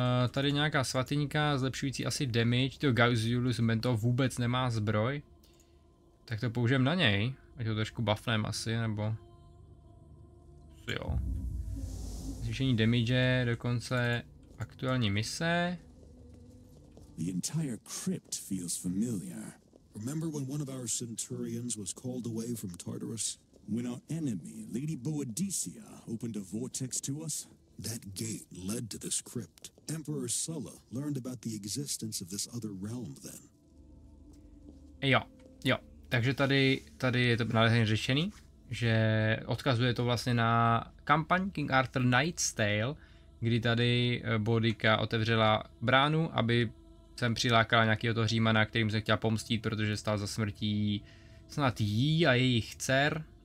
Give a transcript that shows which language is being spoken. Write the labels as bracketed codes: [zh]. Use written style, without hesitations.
[cs] Tady nějaká svatyníka zlepšující asi damage. To Gaius Julius Mento vůbec nemá zbroj. Tak to použijem na něj. Ať ho trošku buffnem asi, nebo... Jo. Zvýšení damage do konce aktuální mise. [en] The entire crypt feels familiar. Remember when one of our centurions was called away from Tartarus? When our enemy, Lady Boadicea, opened a vortex to us? That gate led to this crypt. Emperor Sulla learned about the existence of this other realm then. [cs] Jo, jo, takže tady je to nádherně řešený. že odkazuje to vlastně na kampaň King Arthur Knight's Tale, kdy tady Bodyka otevřela bránu, aby sem přilákala nějakého toho Římana, kterým se chtěla pomstit, protože stál za smrtí snad jí a jejich dcer.